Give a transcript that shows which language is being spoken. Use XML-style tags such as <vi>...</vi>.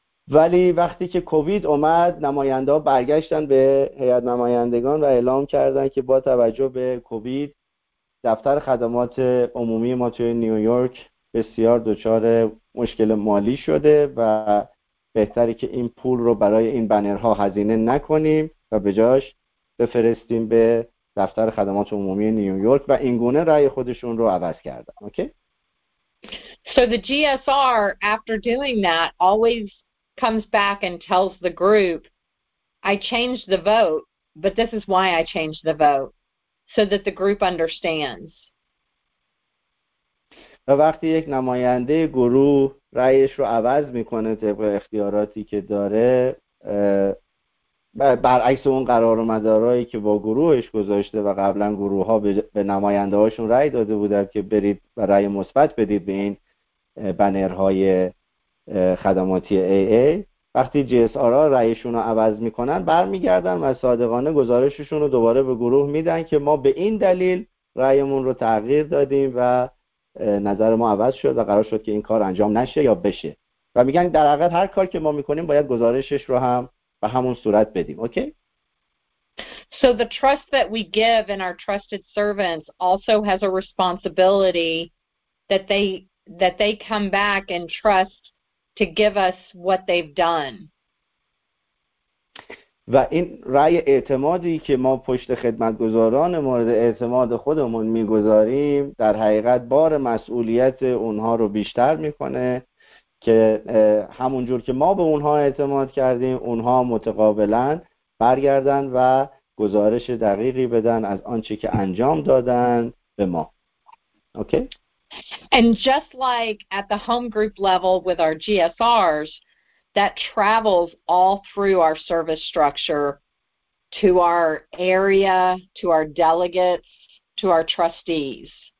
<fa>ولی وقتی که کووید اومد، نماینده ها برگشتن به هیئت نمایندگان و اعلام کردن که با توجه به کووید دفتر خدمات عمومی ما توی نیویورک بسیار دچار مشکل مالی شده و بهتره که این پول رو برای این بنرها هزینه نکنیم و به جاش بفرستیم به دفتر خدمات عمومی نیویورک و اینگونه رأی خودشون رو عوض کردن. اوکی؟</fa> <en>So the GSR, after doing that, always comes back and tells the group, I changed the vote, but this is why I changed the vote, so that the group understands.</en> <fa>و وقتی یک نماینده گروه رأیش رو عوض میکنه طبق اختیاراتی که داره، برعکس اون قرار و مدارایی که با گروهش گذاشته و قبلا گروه ها به نماینده هاشون رأی داده بودن که برید و رأی مثبت بدید به این بنرهای خدماتی AA، وقتی GSR ها رأیشون رو عوض میکنن برمیگردن و صادقانه گزارششون رو دوباره به گروه میدن که ما به این دلیل رأیمون رو تغییر دادیم و نظر ما عوض شد و قرار شد که این کار انجام نشه یا بشه، و میگن در حقیقت هر کار که ما میکنیم باید گزارشش رو هم به همون صورت بدیم. اوکی؟</fa> <en>So the trust that we give in our trusted servants also has a responsibility that they come back and trust to give us what they've done.</en> <fa>و این رأی اعتمادی که ما پشت خدمتگزاران مورد اعتماد خودمون میگذاریم در حقیقت بار مسئولیت اونها رو بیشتر میکنه که همون جور که ما به اونها اعتماد کردیم اونها متقابلا برگردن و گزارش دقیقی بدن از آنچه که انجام دادن به ما. اوکی؟</fa> <en>And just like at the home group level with our GSRs, that travels all through our service structure to our area, to our delegates, to our trustees.</en>